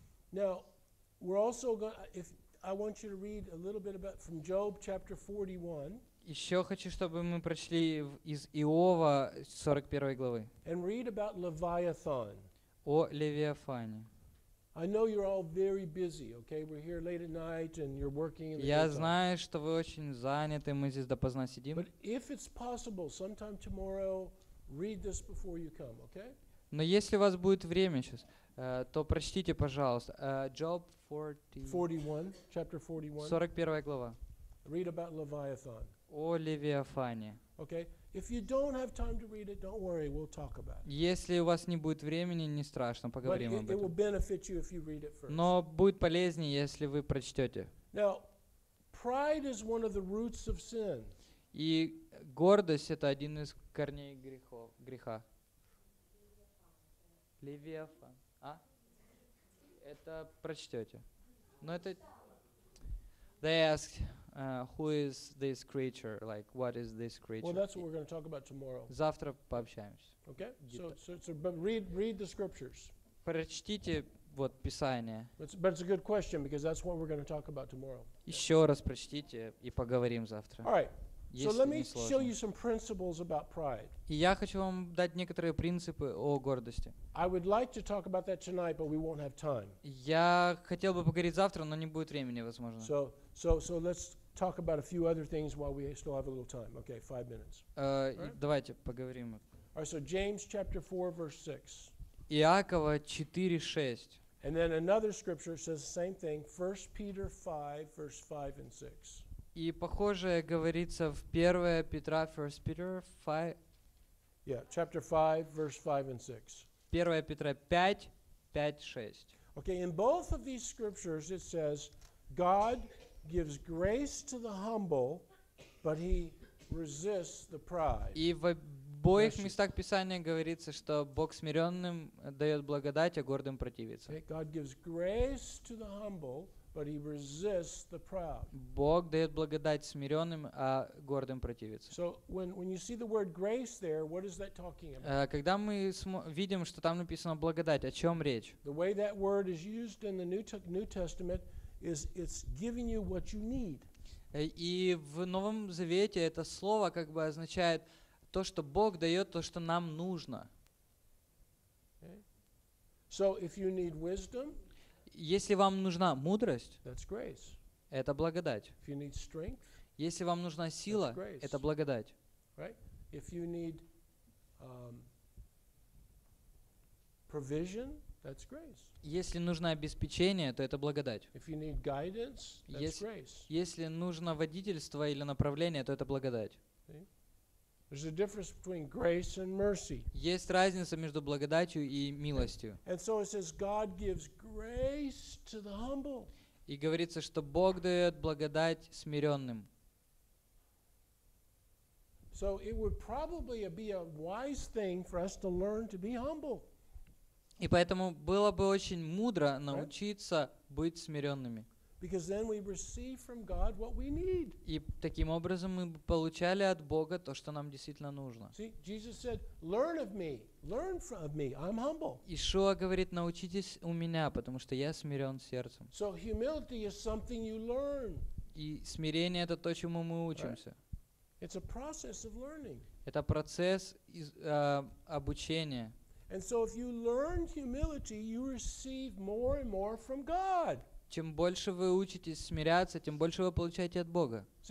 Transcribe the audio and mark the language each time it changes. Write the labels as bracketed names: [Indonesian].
[English] Now, we're also I want you to read a little bit about from Job chapter 41. [Russian] Ещё хочу, чтобы мы прочли из Иова 41 главы. [English] And read about Leviathan. [Russian] О Левиафане. [English] I know you're all very busy, okay? We're here late at night and you're working in the [Russian] Я знаю, что вы очень заняты, мы здесь допоздна сидим. [English] But if it's possible, sometime tomorrow read this before you come, okay? [Russian] Но если у вас будет время сейчас, то прочтите, пожалуйста, Job [English] 41, chapter 41. [Russian] 41 глава. [English] Read about Leviathan. [Russian] О Левиафане. [English] Okay. If you don't have time to read it, don't worry, we'll talk about it. [Russian] Если у вас не будет времени, не страшно, поговорим [English] But [Russian] об этом. [English] It will benefit you if you read it first. [Russian] Но будет полезнее, если вы прочтете. [English] Now, pride is one of the roots of sin. [Russian] И гордость — это один из корней греха. Левиафан. Это прочтёте. Но это... [English] They asked, who is this creature? Like, what is this creature? Well, that's what we're going to talk about tomorrow. [Russian] Завтра пообщаемся. [English] Okay, so but read the scriptures. [Russian] Прочтите вот Писание. [English] But it's a good question, because that's what we're going to talk about tomorrow. [Russian] Ещё раз прочтите и поговорим завтра. [English] All right, So let me show you some principles about pride. [Russian] И я хочу вам дать некоторые принципы о гордости. [English] I would like to talk about that tonight, but we won't have time. [Russian] Я хотел бы поговорить завтра, но не будет времени, возможно. [English] So let's talk about a few other things while we still have a little time. Okay, 5 minutes. [Russian] Давайте поговорим. [English] Alright, so James chapter 4, verse 6. [Russian] Иакова 4:6. [English] And then another scripture says the same thing, 1 Peter 5, verse 5 and 6. [Russian] И похожее говорится в 1 Петра, 1 Peter 5. [English] Yeah, chapter 5, verse 5 and 6. [Russian] 1 Петра 5:5-6. [English] Okay, in both of these scriptures it says, God gives grace to the humble, but he resists the pride. [Russian] И в обоих местах Писания говорится, что Бог смиренным дает благодать, а гордым противится. [English] Okay, God gives grace to the humble, but he resists the proud. [Russian] Бог дает благодать смиренным, а гордым противится. [English] So when you see the word grace there, what is that talking about? [Russian] Когда мы видим, что там написано благодать, о чем речь? [English] The way that word is used in the New Testament is it's giving you what you need. [Russian] И в Новом Завете это слово как бы означает то, что Бог дает то, что нам нужно. [English] Okay. So if you need wisdom, [Russian] если вам нужна мудрость, [English] that's grace. [Russian] Это благодать. [English] If you need strength, [Russian] если вам нужна сила, [English] that's grace. [Russian] Это благодать. [English] Right? If you need, provision, that's grace. [Russian] Если нужно обеспечение, то это благодать. [English] If you need guidance, that's grace. [Russian] Если нужно водительство или направление, то это благодать. [English] There's a difference between grace and mercy. [Russian] Есть разница между благодатью и милостью. [English] And so it says God gives grace to the humble. [Russian] И говорится, что Бог дает благодать смиренным. [English] So it would probably be a wise thing for us to learn to be humble. [Russian] И поэтому было бы очень мудро научиться быть смиренными. [English] Because then we receive from God what we need. [Russian] И таким образом мы получали от Бога то, что нам действительно нужно. [English] See, Jesus said, "Learn of me. Learn from me. I'm humble." [Russian] Иешуа говорит: "Научитесь у меня, потому что я смирен сердцем." [English] So humility is something you learn. [Russian] И смирение это то, чему мы учимся. [English] Right? It's a process of learning. [Russian] Это процесс обучения. [English] And so if you learn humility, you receive more and more from God. [Russian] Чем больше вы учитесь смиряться, тем больше вы получаете от Бога.